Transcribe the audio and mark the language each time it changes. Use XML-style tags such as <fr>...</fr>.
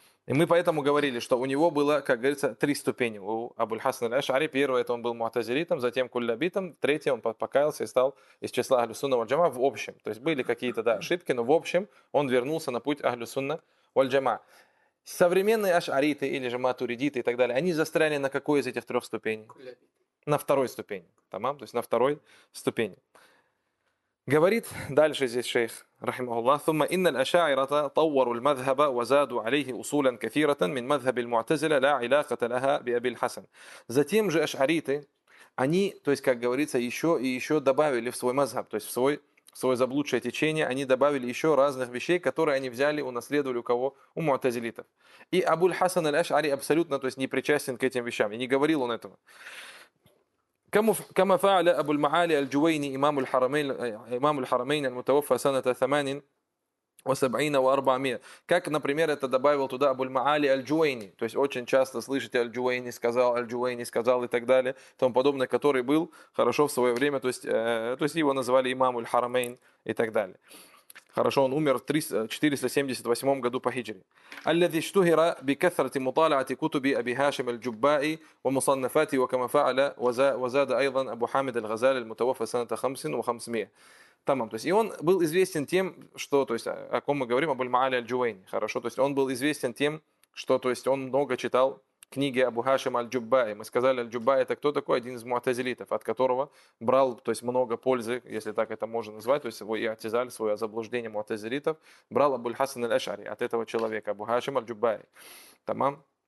<ru>И мы поэтому говорили, что у него было, как говорится, три ступени. У Абуль-Хасан аль-Ашари первое, это он был муътазилитом, затем куллябитом, третье, он покаялся и стал из числа Ахлюс-Сунна валь-Джамаа в общем. То есть были какие-то, да, ошибки, но в общем он вернулся на путь Ахлюс-Сунна валь-Джамаа. Современные ашариты или же матуридиты и так далее, они застряли на какой из этих трех ступеней? На второй ступени. Тамам, то есть на второй ступени. Говорит дальше здесь шейх,</ru> <ar>рахимахуллах, ثم إن الأشاعرة طوروا المذهب وزادوا عليه أصولا كثيرة من مذهب المعتزلة لا علاقة لها بأبي الحسن.</ar> <ru>Затем же ашариты, они, то есть, как говорится, еще и еще добавили в свой мазхаб, то есть в свое заблудшее течение, они добавили еще разных вещей, которые они взяли, унаследовали у кого? У муътазилитов. И Абуль-Хасан аль-Ашари абсолютно, то есть, не причастен к этим вещам, и не говорил он этого.</ru> <ar>كما فعل أبو المعالي الجويني إمام الحرمين المتوفى سنة 78 و400.</ar> <ru>Как, например, это добавил туда Абуль-Маали Аль-Джуэйни. То есть очень часто слышите Аль-Джуэйни сказал и так далее, тому подобное, который был хорошо в свое время. То есть его называли Имам-Уль-Харамейн и так далее. Хорошо, он умер в 478 году по хиджре.</ru> <ar>الذي اشتهر بكثرة مطالعة كتب أبي هاشم الجبائي ومصنفاته وكما فعل وزاد أيضا أبو حامد الغزالي المتوفى سنة 550.</ar> <ru>Тамам. То есть, и он был известен тем, что, то есть, о ком мы говорим, Абуль-Маали аль-Джувейни. Хорошо, то есть он был известен тем, что, то есть, он много читал книги Абу Хашим аль-Джубай. Мы сказали, аль-Джубай это кто такой? Один из муътазилитов, от которого брал, то есть, много пользы, если так это можно назвать, то есть его и'тизаль, свое заблуждение муътазилитов, брал Абуль-Хасан аль-Ашари от этого человека, Абу Хашим аль-Джубай. Тамам.</ru>